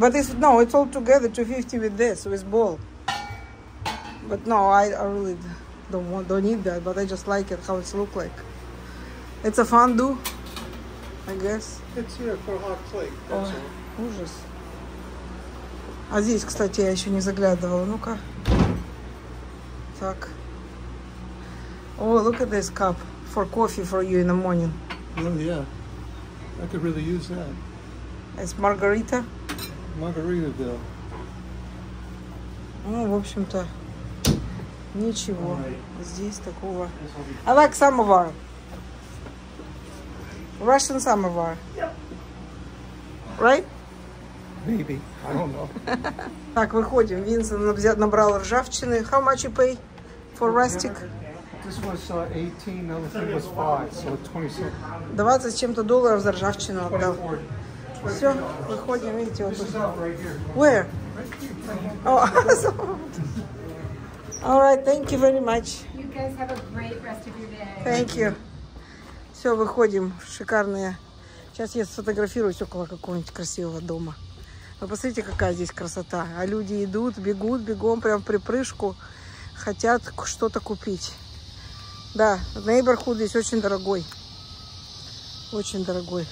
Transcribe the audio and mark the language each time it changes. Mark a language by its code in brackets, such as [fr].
[en] But this, no, it's all together, 250 with this, with bowl. But no, I really don't need that, but I just like it, how it look like. It's a fondue. I guess. It's here for a hot plate. [ru] Ой, ужас. А здесь, кстати, я еще не заглядывала. Ну-ка. Так. [en] Oh, look at this cup. For coffee for you in the morning. Oh, yeah. I could really use that. It's margarita? Margarita, да. [ru] Ну, в общем-то, ничего. Right. Здесь такого. [en] I like samovar. Russian samovar. Yep. Right? Maybe. I don't know. [ru] Так, выходим. Винсент набрал ржавчины. [en] How much you pay for rustic? This was 18, the other thing was 5, so 27. [ru] 20 с чем-то долларов за ржавчину отдал. 24. Все, выходим, видите, вот. [en] This is up right here. Where? Oh, all right, thank you very much. You guys have a great rest of your day. Thank you. [ru] Все, выходим. Шикарные. Сейчас я сфотографируюсь около какого-нибудь красивого дома. Вы посмотрите, какая здесь красота. А люди идут, бегут, бегом, прям в припрыжку. Хотят что-то купить. Да, нейборхуд здесь очень дорогой. Очень дорогой.